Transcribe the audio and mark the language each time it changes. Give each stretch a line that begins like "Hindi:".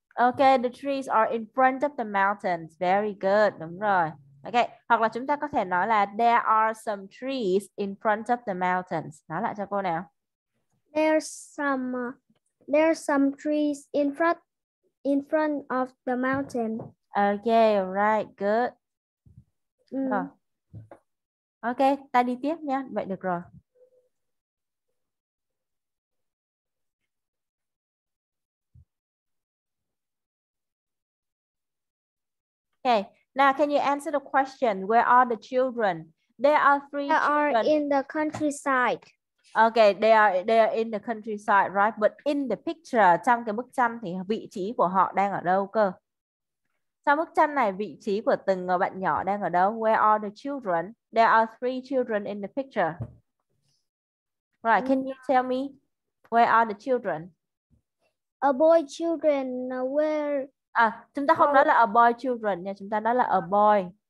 English: Ok, the trees are in front of the mountains. Very good.
Vietnamese: Đúng rồi.
English: Ok,
Vietnamese: hoặc là chúng ta có thể nói là
English: there are some trees in front of the mountains.
Vietnamese: Nói lại cho cô nào.
English: There's some trees in front of the mountain. Ok, right,
Vietnamese: Ừ. good. Rồi. Ok, ta đi tiếp nhé. Vậy được rồi.
English: Okay, now can you answer the question? Where are the children? There are three Are children. in the countryside. Okay, they are in the countryside, right? But in the picture,
Vietnamese: trong cái bức tranh thì vị trí của họ đang ở đâu cơ? Trong bức tranh này, vị trí của từng bạn nhỏ đang ở đâu?
English: Where are the children? There are three children in the picture. Right, can you tell me where are the children? A boy children where
Vietnamese: À, chúng ta không nói oh, là
English: a boy children
Vietnamese: nha, chúng ta nói là a boy.